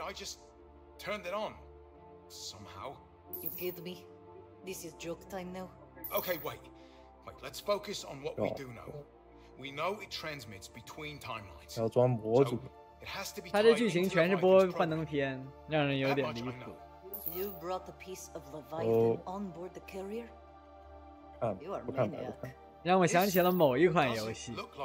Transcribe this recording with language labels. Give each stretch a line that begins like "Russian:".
English: I just turned it on somehow. You kid me? This is joke time now. Okay, wait. Let's focus on what we do know. We know it transmits between timelines.
Chinese: 要装博主。他这剧情全是播幻灯片，让人有点离谱。
English: You brought a piece of Leviathan on board the carrier? You are maniac.
Chinese: 让我想起了某一款游戏。